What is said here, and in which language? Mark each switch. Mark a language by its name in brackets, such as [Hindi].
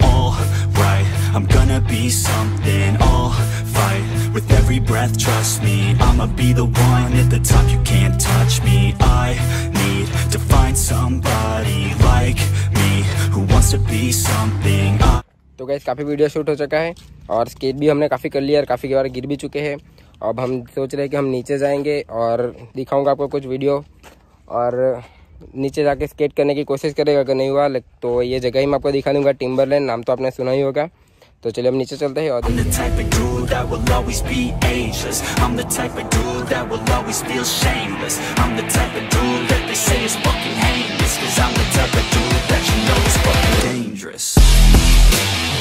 [English] All right, I'm gonna be something. I'll fight with every breath, trust me. I'ma be the one at the top, you can't touch me. I need to find somebody like me who wants to be something. [Hindi] तो guys, काफी video shoot हो चुका है और skate भी हमने काफी कर लिया और काफी बार गिर भी चुके हैं। अब हम सोच रहे हैं कि हम नीचे जाएंगे और दिखाऊंगा आपको कुछ वीडियो, और नीचे जाके स्केट करने की कोशिश करेगा, अगर नहीं हुआ तो ये जगह ही मैं आपको दिखा दूंगा, टिम्बरलैंड नाम तो आपने सुना ही होगा। तो चलिए हम नीचे चलते हैं और [English] That will always be ageless. I'm the type of dude that will always feel shameless. I'm the type of dude that they say is fucking heinous. 'Cause I'm the type of dude that you know is fucking dangerous.